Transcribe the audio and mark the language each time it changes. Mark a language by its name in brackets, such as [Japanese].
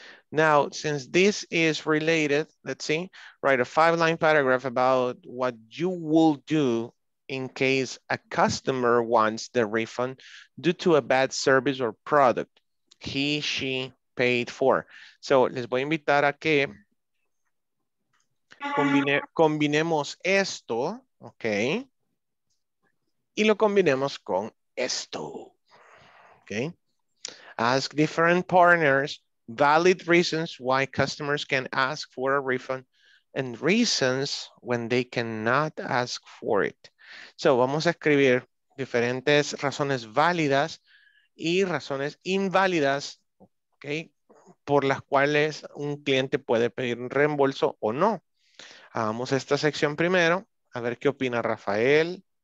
[English] Now, since this is related, let's see, write a 5-line paragraph about what you will do in case a customer wants the refund due to a bad service or product he, she paid for. [Spanish] So, les voy a invitar a que combinemos esto, ok, y lo combinemos con esto, ok. [English] Ask different partners valid reasons why customers can ask for a refund and reasons when they cannot ask for it. [Spanish] So vamos a escribir diferentes razones válidas y razones inválidas, ok, por las cuales un cliente puede pedir un reembolso o no. Hagamos esta sección primero, a ver qué opina Rafael.